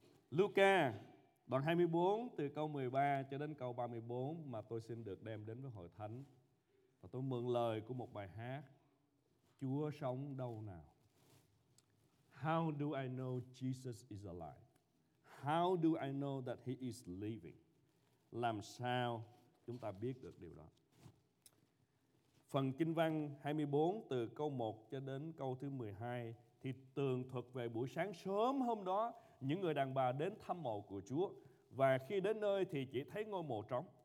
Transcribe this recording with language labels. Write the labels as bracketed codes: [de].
[vi] Luca đoạn 24 từ câu 13 cho đến câu 34 mà tôi xin được đem đến với hội thánh. Và tôi mượn lời của một bài hát: Chúa sống đâu nào? [en] How do I know Jesus is alive? How do I know that he is living? [vi] Làm sao chúng ta biết được điều đó? Phần kinh văn 24 từ câu 1 cho đến câu thứ 12 thì tường thuật về buổi sáng sớm hôm đó, những người đàn bà đến thăm mộ của Chúa, và khi đến nơi thì chỉ thấy ngôi mộ trống.